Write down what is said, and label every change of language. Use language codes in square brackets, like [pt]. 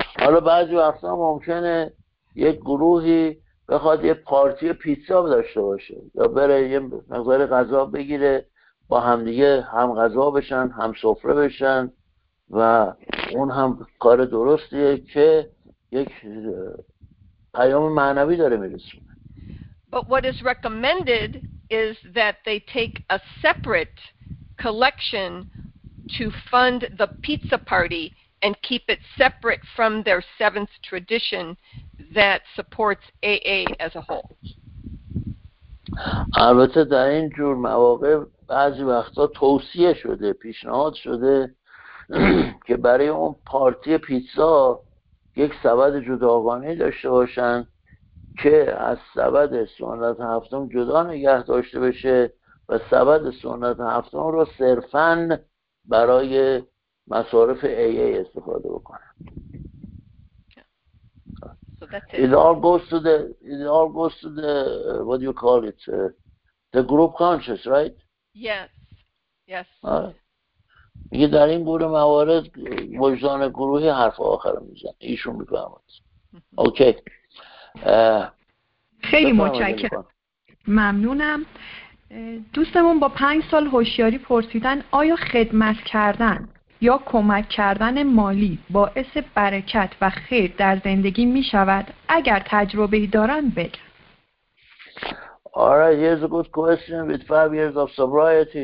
[fa] حالا بعضی وقتا ممکنه یک گروهی بخواد یه پارتی پیتزا داشته باشه یا بره یه مقدار غذا بگیره با هم دیگه هم غذا بشن، هم سفره بشن، و اون هم کار درستیه که یک پیام معنوی داره میرسونه. [en] But what is recommended is that they take a separate collection to fund the pizza party and keep it separate from their seventh tradition that supports AA as a whole. [fa] البته در این جور مواقع بعضی وقتا توصیه شده، پیشنهاد شده که برای اون پارتی پیتزا یک سبد جداگانه داشته باشن که از سبد سنت هفتم جدا نگه داشته بشه و سبد سنت هفتم رو صرفاً برای مصارف AA استفاده بکنن. [en] It all goes to the what do you call it? The group conscious, right? Yes. [fa] میگه در این گروه موارد وجدان گروهی حرف آخر میزن. ایشون میفهمد. اوکی. خیلی متشکرم. ممنونم. دوستمون با 5 سال هوشیاری پرسیدن آیا خدمت کردن یا کمک کردن مالی باعث برکت و خیر در زندگی می شود؟ اگر تجربه‌ای دارن بگن. [en] All right, here's a good question with 5 years of sobriety.